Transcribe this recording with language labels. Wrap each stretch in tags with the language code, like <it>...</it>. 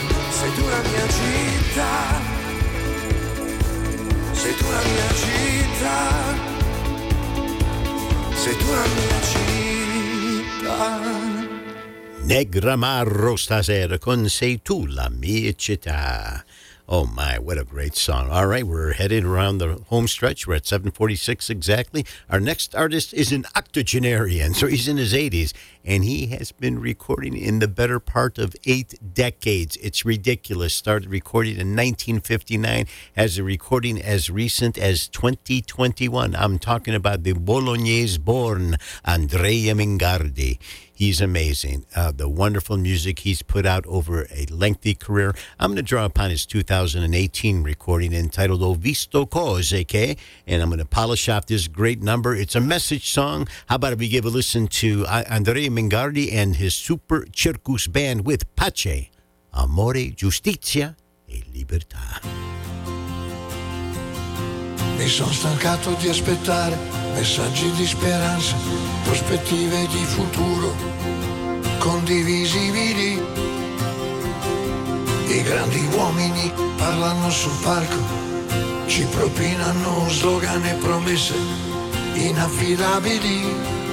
<it>Sei tu la mia città, sei tu la mia città, sei tu la mia città. Negramaro stasera con Sei Tu La Mia Città.</it> <en>Oh my, what a great song. All right, we're headed around the home stretch. We're at 7:46 exactly. Our next artist is an octogenarian, so he's in his 80s, and he has been recording in the better part of 8 decades. It's ridiculous. Started recording in 1959, has a recording as recent as 2021. I'm talking about the Bolognese-born Andrea Mingardi. He's amazing. The wonderful music he's put out over a lengthy career. I'm going to draw upon his 2018 recording entitled Ho Visto Cose Che, and I'm going to polish off this great number. It's a message song. How about we give a listen to Andrea Mingardi and his Super Circus Band with Pace, Amore, Giustizia e Libertà.</en> <it>Mi sono stancato di aspettare messaggi di speranza, prospettive di futuro condivisibili. I grandi uomini parlano sul palco, ci propinano slogan e promesse inaffidabili.</it>